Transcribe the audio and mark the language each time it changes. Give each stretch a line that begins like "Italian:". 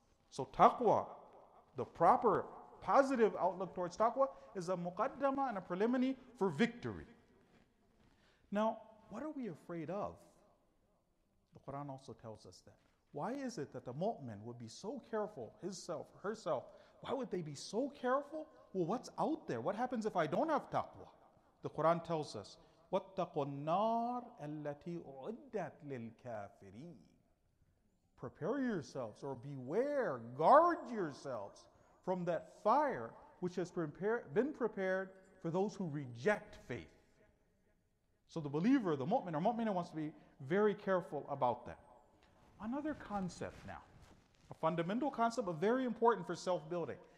English: So taqwa, the proper positive outlook towards taqwa, is a muqaddama and a preliminary for victory. Now, what are we afraid of? The Quran also tells us that. Why is it that the mu'min would be so careful, himself, herself, why would they be so careful? Well, what's out there? What happens if I don't have taqwa? The Quran tells us,
Arabic: وَاتَّقُوا النَّارَ الَّتِي أُعِدَّتْ لِلْكَافِرِينَ.
English: Prepare yourselves, or beware, guard yourselves from that fire which has been prepared for those who reject faith. So the believer, the mu'min, or mu'mina wants to be very careful about that. Another concept now, a fundamental concept, but very important for self-building.